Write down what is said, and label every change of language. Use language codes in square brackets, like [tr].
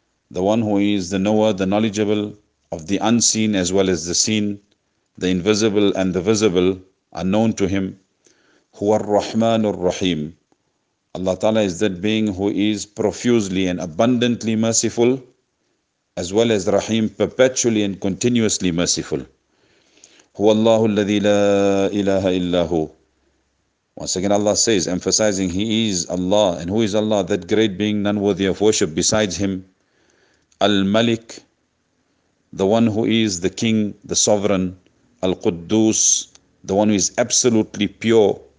[en] The one who is the knower, the knowledgeable of the unseen as well as the seen, the invisible and the visible are known to Him. [ar] هُوَ الرَّحْمَنُ الرَّحِيمُ. [en] Allah Ta'ala is that being who is profusely and abundantly merciful, as well as Rahim, perpetually and continuously merciful. [ar] هو الله الذي لا إله إلا هو. [en] Once again Allah says, emphasizing He is Allah. And who is Allah? That great being, none worthy of worship besides Him. Al-Malik, the one who is the King, the Sovereign. Al-Quddus, the one who is absolutely pure.